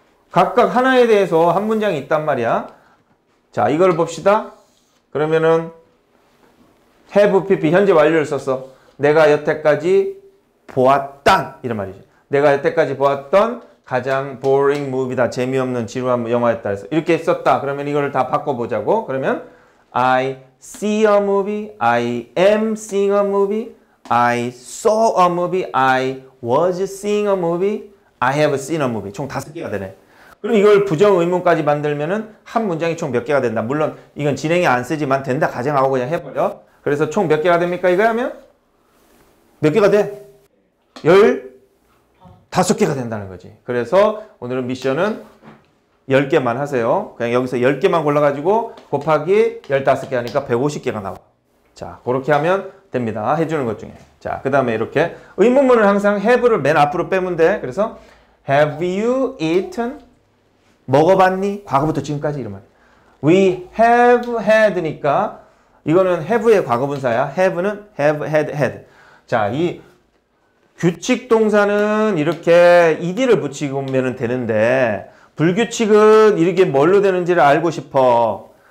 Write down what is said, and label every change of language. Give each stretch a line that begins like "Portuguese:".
Korean: 각각 하나에 대해서 한 문장이 있단 말이야. 자, 이걸 봅시다. 그러면은 have PP 현재 완료를 썼어. 내가 여태까지 보았던 이런 말이지. 내가 여태까지 보았던 가장
English: boring movie
Korean: 다. 재미없는 지루한 영화였다 해서 이렇게 썼다. 그러면 이걸 다 바꿔보자고. 그러면
English: I see a movie, I am seeing a movie, I saw a movie, I was seeing a movie, I have seen a movie.
Korean: 총 다섯 개가 되네. 그럼 이걸 부정 의문까지 만들면은 한 문장이 총 몇 개가 된다. 물론 이건 진행이 안 쓰지만 된다 가정하고 그냥 해버려. 그래서 총 몇 개가 됩니까? 이거 하면 몇 개가 돼? 열 다섯 개가 된다는 거지. 그래서 오늘은 미션은 열 개만 하세요. 그냥 여기서 열 개만 골라가지고 곱하기 열다섯 개 하니까 150개가 나와. 자, 그렇게 하면 됩니다. 해주는 것 중에. 자, 그 다음에 이렇게 의문문을 항상 have를 맨 앞으로 빼면 돼.
English: 그래서 have you eaten?
Korean: 먹어봤니? 과거부터 지금까지 이러면.
English: We have had
Korean: 니까 이거는 have의 과거분사야.
English: have는 have, had, had.
Korean: 자, 이 규칙동사는 이렇게 ed를 붙이고 오면 되는데 불규칙은 이렇게 뭘로 되는지를 알고 싶어.